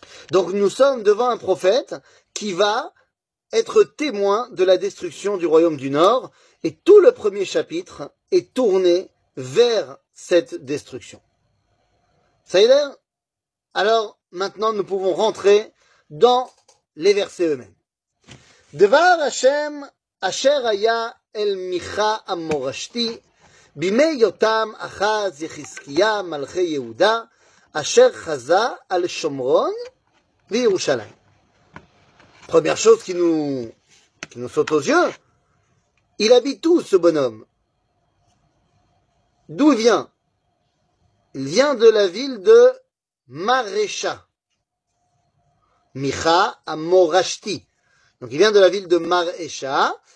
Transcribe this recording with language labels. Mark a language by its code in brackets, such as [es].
[fr] Donc, nous sommes devant un prophète qui va être témoin de la destruction du royaume du Nord, et tout le premier chapitre est tourné vers cette destruction. Ça y est ? Alors, maintenant, nous pouvons rentrer dans les versets eux-mêmes. [he] Devar Hashem, Asher Aya, אל מיכה המורשתי בימי יותם אחז יחזקיה מלכי יהודה אשר חזה על שומרון וירושלים. [fr] Première chose qui nous saute aux yeux, il habite où ce bonhomme? D'où il vient? Il vient de la ville de Maresha. מיכה המורשתי. Donc il vient de la ville de Maresha.